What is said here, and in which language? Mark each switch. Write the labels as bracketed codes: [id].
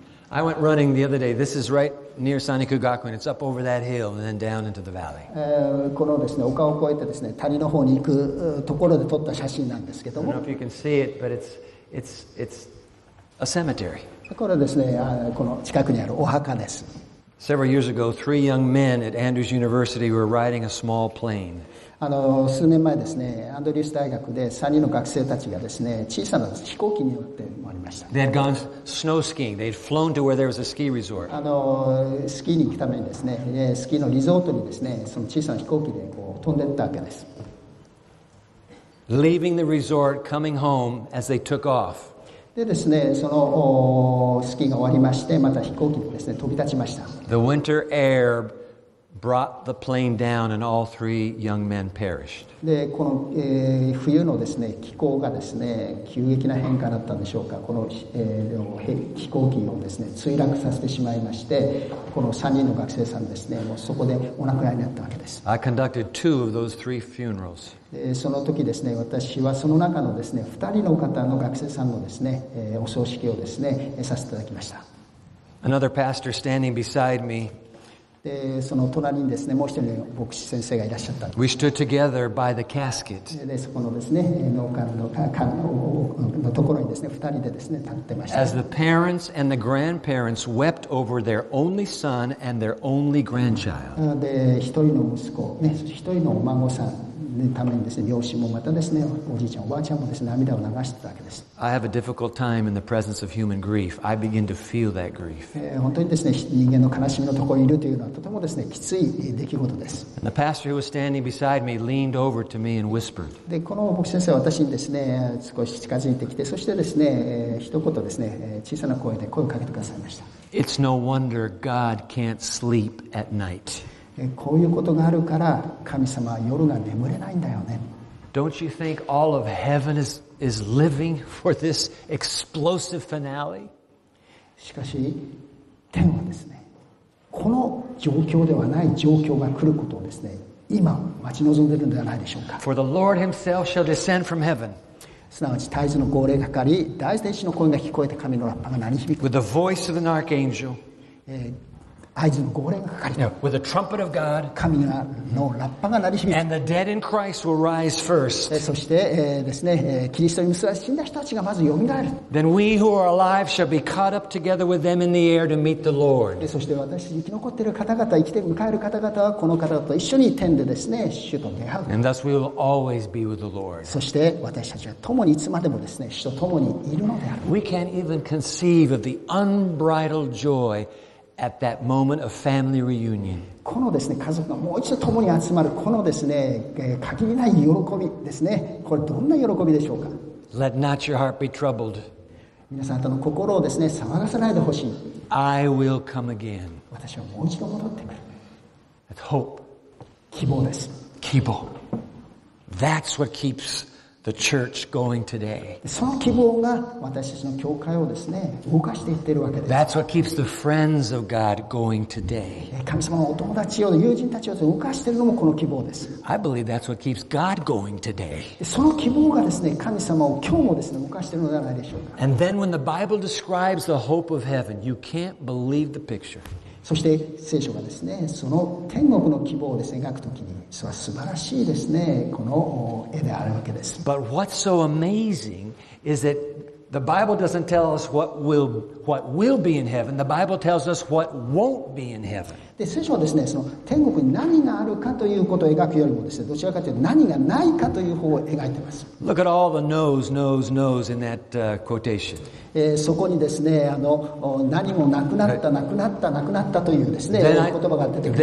[en] I went running the other day. This is right near Sanikugakuin. It's up over that hill and then down into the valley. [ja] このですね、丘を越えてですね、谷の方に行くところで撮った写真なんですけども。 [en] I don't know if you can see it, but it's a cemetery. [ja] これですね、この近くにあるお墓です。 [en] Several years ago, three young men at Andrews University were riding a small plane. [ja] 数年前ですね、アンドリュース大学で3人の学生たちがですね、小さな飛行機に乗って回りました。 [en] They had gone snow skiing. They had flown to where there was a ski resort. [ja] スキーに行くためにですね、スキーのリゾートにですね、その小さな飛行機でこう飛んでったわけです。 [en] Leaving the resort, coming home as they took off. [ja] でですね、そのスキーが終わりまして、また飛行機にですね、飛び立ちました。 [en] The winter air brought the plane down and all three young men perished. [ja] で、この、冬のですね、気候がですね、急激な変化だったんでしょうか。この、飛行機をですね、墜落させてしまいまして、この3人の学生さんですね、もうそこでお亡くなりになったわけです。 [en] I conducted two of those three funerals. [ja] その時ですね、私はその中のですね、2人の方の学生さんのですね、お葬式をですね、させていただきました。 [en] Another pastor standing beside me. [ja] で、その隣にですね、もう一人の牧師先生がいらっしゃったんです。 [en] We stood together by the casket. [ja] で、そこのですね、納棺の、ところにですね、2人でですね、立ってました。 [en] As the parents and the grandparents wept over their only son and their only grandchild. [ja] で、一人の息子、ね、一人のお孫さん。ためにですね、両親もまたですね、おじいちゃんおばあちゃんもですね、涙を流してたわけです。 [en] I have a difficult time in the presence of human grief. I begin to feel that grief. [ja] 本当にですね、人間の悲しみのところにいるというのはとてもですね、きつい出来事です。 [en] And the pastor who was standing beside me leaned over to me and whispered. [ja] で、この牧師先生は私にですね、少し近づいてきて、そしてですね、一言ですね、小さな声で声をかけてくださいました。 [en] It's no wonder God can't sleep at night. [ja] こういうことがあるから神様は夜が眠れないんだよね。 [en] Don't you think all of heaven is living for this explosive finale? [ja] しかし天はですね、この状況ではない状況が来ることをですね、今待ち望んでいるんではないでしょうか。 [en] For the Lord Himself shall descend from heaven. [ja] すなわち絶えずの号令がかかり、大天使の声が聞こえて神のラッパが鳴り響く。 [en] With the voice of an archangel. With a trumpet of God, and the dead in Christ will rise first. Then we who are alive shall be caught up together with them in the air to meet the Lord. And thus we will always be with the Lord. We can't even conceive of the unbridled joy at that moment of family reunion. [ja] このですね、家族がもう一度共に集まるこのですね、限りない喜びですね。これどんな喜びでしょうか。 [en] Let not your heart be troubled. [ja] 皆さんとの心をですね、騒がさないでほしい。 [en] I will come again. [ja] 私はもう一度戻ってくる。 [en] That's hope. [ja] 希望です。希望。 [en] That's what keeps the church going today. [ja] その希望が私たちの教会をですね、動かしていっているわけです。 [en] That's what keeps the friends of God going today. [ja] 神様のお友達を、友人たちを動かしているのもこの希望です。 [en] I believe that's what keeps God going today. [ja] その希望がですね、神様を今日もですね、動かしているのではないでしょうか。 [en] And then when the Bible describes the hope of heaven, you can't believe the picture. [ja] そして聖書がですね、その天国の希望をですね、描くときに、それは素晴らしいですね、この絵であるわけです。 [en] But what's so amazing is that the Bible doesn't tell us what will be in heaven. The Bible tells us what won't be in heaven. [ja] で、聖書はですね、その天国に何があるかということを描くよりもですね、どちらかというと何がないかという方を描いてます。 [en] Look at all the no's, no's, no's in that quotation. [ja] そこにですね、あの何もなくなった、なくなった、なくなったというですね、言葉が出てくる。